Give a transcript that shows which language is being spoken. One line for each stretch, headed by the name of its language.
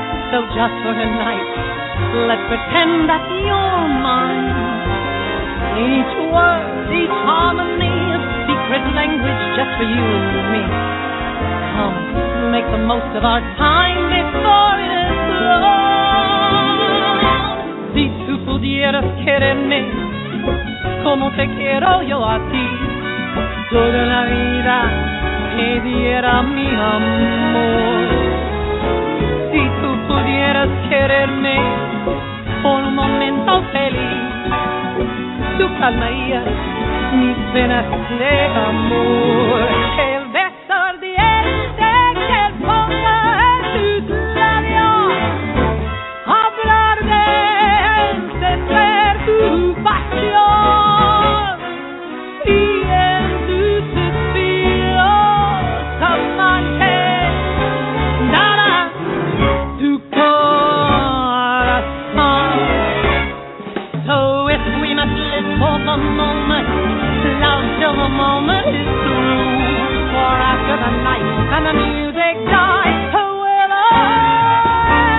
English: So just for tonight, let's pretend that you're mine. Each word, each language just for you and me. Come, make the most of our time before it is gone.
Spanish: Si tú pudieras quererme, como te quiero yo a ti, toda la vida te diera mi amor. Si tú pudieras quererme, por un momento feliz, tú calmarías mis penas de amor. El beso ardiente que ponga en tus labios, hablar de él, de ser tu pasión, y en tus suspiros amarte dará tu corazón.
English: So if we must live for the moment, till the moment is through, for after the night and the music dies, who will I?